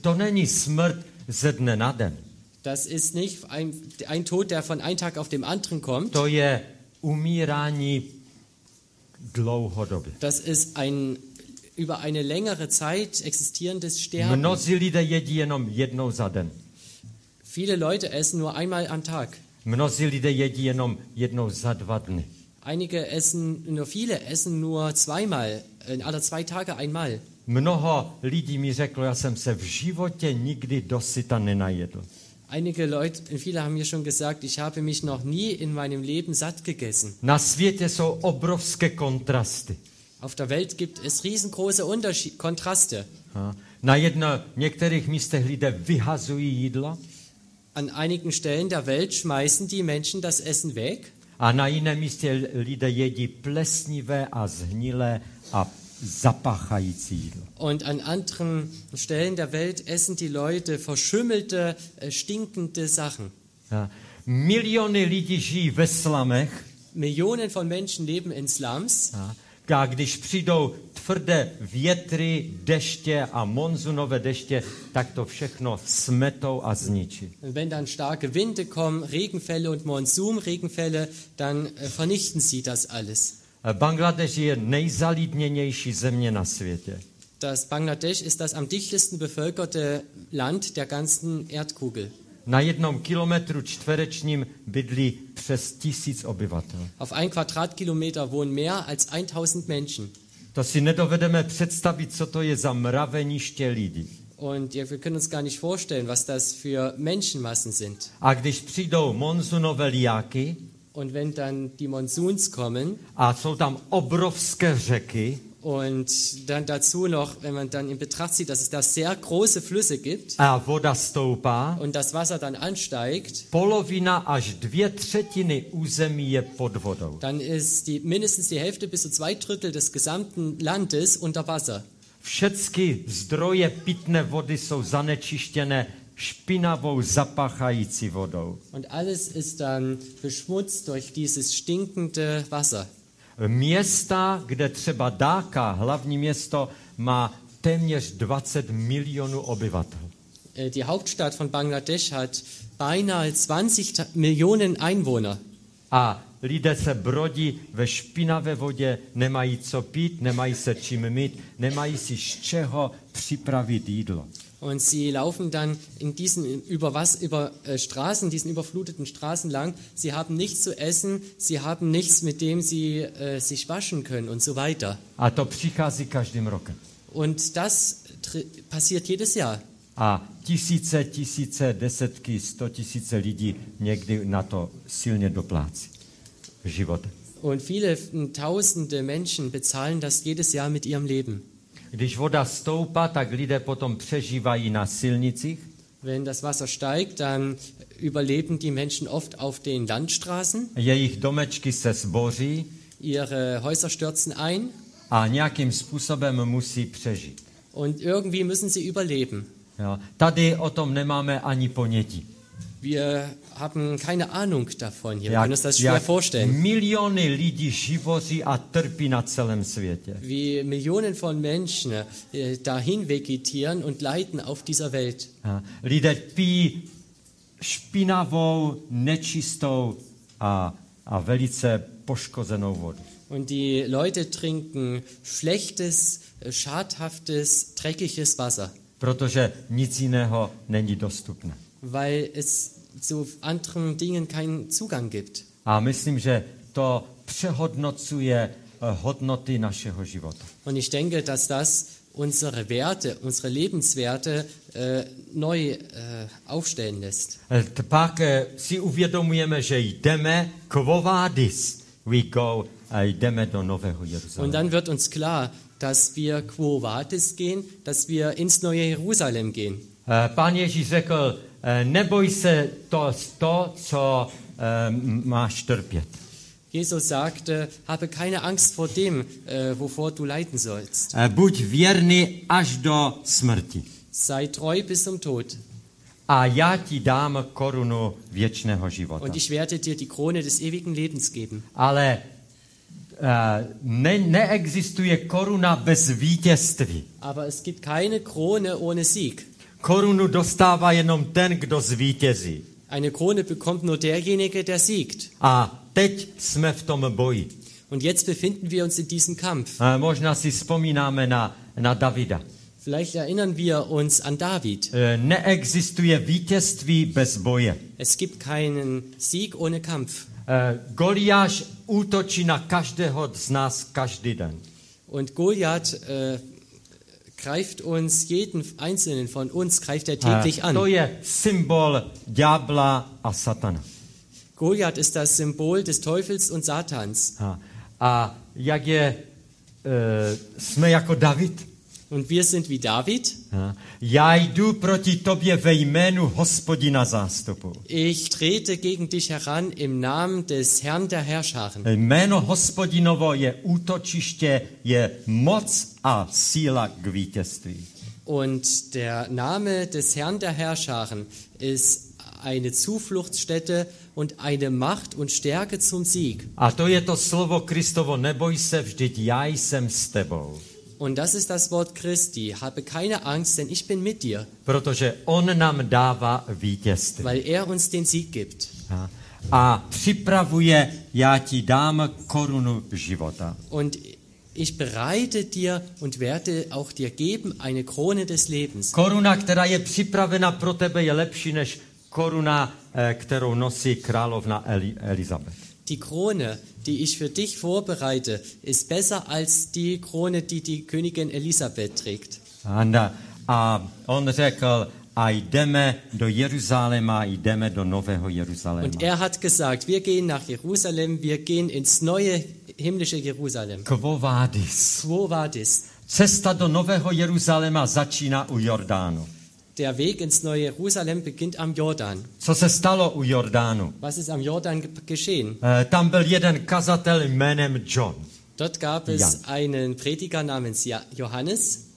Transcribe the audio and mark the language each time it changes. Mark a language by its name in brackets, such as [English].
[Czech] To není smrt ze dne na den. [German] Das ist nicht ein Tod, der von einem Tag auf dem anderen kommt. [Czech] To je umírání dlouhodobě. [German] Das ist ein über eine längere Zeit existierendes Sterben. [Czech] Mnozí lidé jedí jenom jednou za den. [German] Viele Leute essen nur einmal am Tag. [Czech] Mnozí lidé jedí jenom jednou za dva dny. [German] Einige essen, nur viele essen nur zweimal, in aller zwei Tage einmal. [Czech] Mnoho lidí mi řeklo, já jsem se v životě nikdy dosyta nenajedl. [German] Einige Leute, viele haben mir schon gesagt, ich habe mich noch nie in meinem Leben satt gegessen. [Czech] Na světě jsou obrovské kontrasty. [German] Auf der Welt gibt es riesengroße Kontraste. [Czech] Na jedno, některých místech lidé vyhazují jídlo. [German] An einigen Stellen der Welt schmeißen die Menschen das Essen weg. [Czech] A na jiném místě lidé jedí plesnivé a zhnilé a zapachající jídlo. [German] Und an anderen Stellen der Welt essen die Leute verschimmelte, stinkende Sachen. [Czech] Ja. Miliony lidí žijí ve slamech. [German] Millionen von Menschen leben in Slums. Ja. [Czech] A když přijdou tvrdé větry, deště a monzunové deště, tak to všechno smetou a zničí. [German] Wenn dann starke Winde kommen, Regenfälle und Monsunregenfälle, dann vernichten sie das alles. [Czech] Bangladesch je nejzalidněnější země na světě. [German] Das Bangladesch ist das am dichtesten bevölkerte Land der ganzen Erdkugel. [Czech] Na jednom kilometru čtverečním bydlí přes 1000 obyvatel. [German] Auf einem Quadratkilometer wohnen mehr als 1000 Menschen. [Czech] To si nedovedeme představit, co to je za mraveniště lidí. [German] Und wir können uns gar nicht vorstellen, was das für Menschenmassen sind. [Czech] A když přijdou monzunové liáky, [German] und wenn dann die Monsuns kommen, [Czech] a jsou tam obrovské řeky, [German] und dann dazu noch, wenn man dann in Betracht zieht, dass es da sehr große Flüsse gibt, [Czech] a voda stoupá, [German] und das Wasser dann ansteigt, [Czech] polovina až dvě třetiny území je pod vodou. [German] Dann ist die mindestens die Hälfte bis zu zwei Drittel des gesamten Landes unter Wasser. [Czech] Všechny zdroje pitné vody jsou zanečištěné špinavou zapachající vodou. [German] Und alles ist dann beschmutzt durch dieses stinkende Wasser. [Czech] Města, kde třeba Dhaka, hlavní město, má téměř 20 milionů obyvatel. [German] Die Hauptstadt von Bangladesch hat beinahe 20 Millionen Einwohner. [Czech] A lidé se brodí ve špinavé vodě, nemají co pít, nemají se čím mít, nemají si z čeho připravit jídlo. [German] Und sie laufen dann in diesen Straßen, diesen überfluteten Straßen lang. Sie haben nichts zu essen, sie haben nichts, mit dem sie sich waschen können und so weiter. [Czech] A to přichází každým rokem. [German] Und das passiert jedes Jahr. [Czech] A tisíce, tisíce, desetky, sto tisíce lidí někdy na to silně doplácí život. [German] Und viele tausende Menschen bezahlen das jedes Jahr mit ihrem Leben. [Czech] Když voda stoupá, tak lidé potom přežívají na silnicích. [German] Wenn das Wasser steigt, dann überleben die Menschen oft auf den Landstraßen. [Czech] Jejich domečky se zboří. [German] Ihre Häuser stürzen ein. [Czech] A nějakým způsobem musí přežít. [German] Und irgendwie müssen sie überleben. [Czech] Jo, tady o tom nemáme ani ponětí. [German] Wir haben keine Ahnung davon hier. Wir können uns das schwer vorstellen. [Czech] Miliony lidí živoří a trpí na celém světě. [German] Wie Millionen von Menschen dahin vegetieren und leiden auf dieser Welt. [Czech] Ja. Lidé pijí špinavou, nečistou a velice poškozenou vodu. [German] Und die Leute trinken schlechtes, schadhaftes, dreckiges Wasser. [Czech] Protože nic jiného není dostupné. [German] Weil es zu anderen Dingen keinen Zugang gibt. [Czech] A myslím, že to přehodnocuje hodnoty našeho života. [German] Und ich denke, dass das unsere Werte, unsere Lebenswerte neu aufstellen lässt. [Czech] Pak si uvědomujeme, že jdeme quo vadis, [English] we go, [Czech] jdeme do Nového Jeruzaléma. [German] Und dann wird uns klar, dass wir Quo Vadis gehen, dass wir ins Neue Jeruzalem gehen. [Czech] Pán Ježíš řekl, neboj se to, co máš trpět. [German] Jesus sagte, habe keine Angst vor dem, wovor du leiden sollst. [Czech] Buď věrný až do smrti. [German] Sei treu bis zum Tod. [Czech] A já ti dám korunu věčného života. [German] Und ich werde dir die Krone des ewigen Lebens geben. [Czech] Ale neexistuje koruna bez vítězství. [German] Aber es gibt keine Krone ohne Sieg. [Czech] Korunu dostává jenom ten, kdo zvítězí. [German] Eine Krone bekommt nur derjenige, der siegt. [Czech] A teď jsme v tom boji. [German] Und jetzt befinden wir uns in diesem Kampf. [Czech] Možná si vzpomínáme na Davida. [German] Vielleicht erinnern wir uns an David. [Czech] Neexistuje vítězství bez boje. [German] Es gibt keinen Sieg ohne Kampf. [Czech] Goliáš útočí na každého z nás každý den. [German] Und Goliath greift uns jeden einzelnen von uns greift er täglich an. [Czech] To je symbol ďábla a satana. [German] Goliath ist das Symbol des Teufels und Satans. [Czech] A jak je jsme jako David? [German] Und wir sind wie David. [Czech] Já jdu proti tobě ve jménu Hospodina zástupu. [German] Ich trete gegen dich heran im Namen des Herrn der Herrscharen. [Czech] Jméno Hospodinovo je útočiště, je moc a síla k vítězství. [German] Und der Name des Herrn der Herrscharen ist eine Zufluchtsstätte und eine Macht und Stärke zum Sieg. [Czech] A to je to slovo Kristovo, neboj se, vždyť já jsem s tebou. [German] Und das ist das Wort Christi. Habe keine Angst, denn ich bin mit dir. [Czech] Protože on nám dává vítězství. [German] Weil er uns den Sieg gibt. [Czech] A připravuje, já ti dám korunu života. [German] Und ich bereite dir und werde auch dir geben eine Krone des Lebens. [Czech] Koruna, která je připravena pro tebe, je lepší než koruna, kterou nosí královna Elizabeth. [German] Die Krone, die ich für dich vorbereite, ist besser als die Krone, die die Königin Elisabeth trägt. [Czech] A on řekl, a jdeme do Jeruzaléma, jdeme do Nového Jeruzaléma. [German] Und er hat gesagt, wir gehen nach Jerusalem, wir gehen ins neue himmlische Jerusalem. [Latin] Quo vadis. Quo vadis. [Czech] Cesta do Nového Jeruzaléma začíná u Jordánu. [German] Der Weg ins neue Jerusalem beginnt am Jordan. [Czech] Co se stalo u Jordánu? [German] Was ist am Jordan geschehen? [Czech] Tam byl jeden kazatel jménem John. [German] Dort gab es einen Prediger namens Johannes.